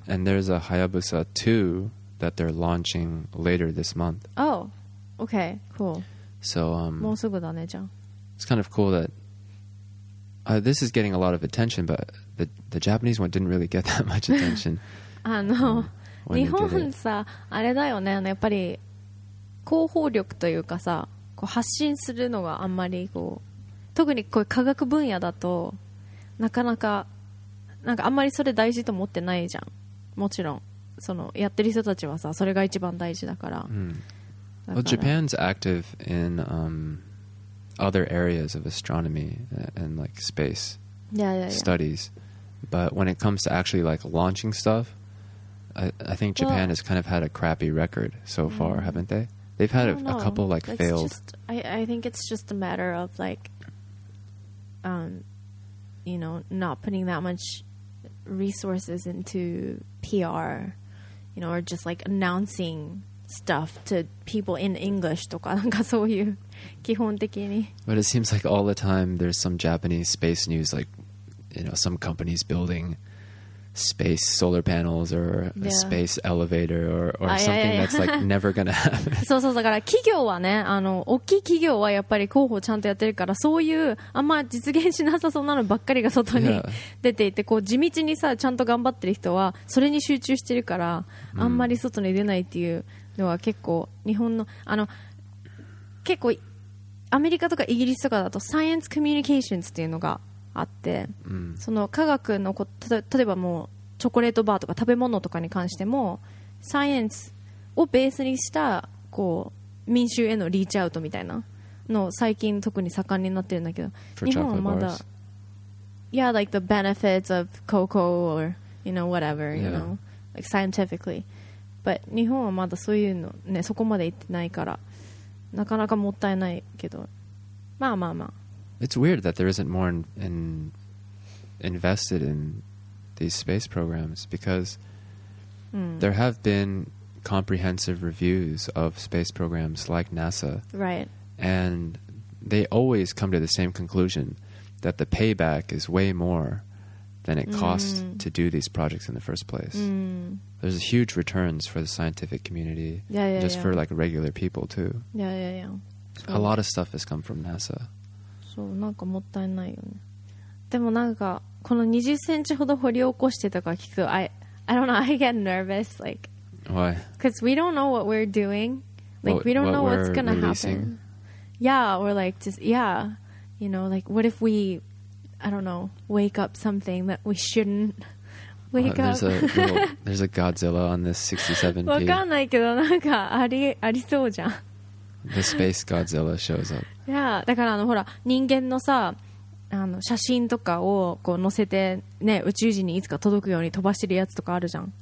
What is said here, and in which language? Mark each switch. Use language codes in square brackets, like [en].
[en] And there's a Hayabusa 2 that they're launching later this month. Oh, okay, cool. So, [ja] もうすぐだね、じゃん。 [en] It's kind of cool that this is getting a lot of attention, but the Japanese one didn't really get that much attention. [ja] あの、日本さ、あれだよね、あのやっぱり広報力というかさ、こう発信するのがあんまりこう、特にこういう科学分野だとなかなかなんかあんまりそれ大事と思ってないじゃん。もちろんそのやってる人たちはさ、それが一番大事だから。 [en] うん、well, Japan's active in other areas of astronomy and like space studies, but when it comes to actually like launching stuff, I think Japan has kind of had a crappy record so far, haven't they? They've had a couple like failed. I think it's just a matter of like, you know, not putting that much resources into PR, you know, or just like announcing stuff to people in English [ja] とかなんかそういう基本的に。 [en] But it seems like all the time there's some Japanese space news, like, you know, some companies building space solar panels or a space elevator or something that's like never gonna happen. [ja] そうそう、だから企業はね、あの大きい企業はやっぱり広報ちゃんとやってるから、そういうあんま実現しなさそうなのばっかりが外に出ていて、こう地道にさちゃんと頑張ってる人はそれに集中してるから、あんまり外に出ないっていうのは結構日本のあの結構アメリカとかイギリスとかだとサイエンスコミュニケーションズっていうのがあって、その科学のこと、例えばもうチョコレートバーとか食べ物とかに関してもサイエンスをベースにしたこう民衆へのリーチアウトみたいなの最近特に盛んになってるんだけど、日本はまだ [en] Yeah, like the benefits of cocoa or you know whatever, you know, like scientifically. [ja] But 日本はまだそういうのね、そこまで行ってないからなかなかもったいないけど、まあまあまあ。 [en] It's weird that there isn't more invested in these space programs because there have been comprehensive reviews of space programs like NASA. Right. And they always come to the same conclusion that the payback is way more than it costs to do these projects in the first place. There's huge returns for the scientific community, for like regular people too. Yeah. A lot of stuff has come from NASA. [ja] そう、なんかもったいないよね。でもなんかこの20センチほど掘り起こしてとか聞く、 [en] I don't know, I get nervous, like. Why? Because we don't know what we're doing. Like we don't know what's gonna releasing? Happen. Yeah, or like just yeah, you know, like what if we, I don't know, wake up something that we shouldn't. Wake up. There's a Godzilla on this 67P. [ja] わかんないけどなんかありそうじゃん。 [en] The space Godzilla shows up. [ja] Yeah, だからあのほら人間のさあの写真とかをこう載せてね宇宙人にいつか届くように飛ばしてるやつとかあるじゃん。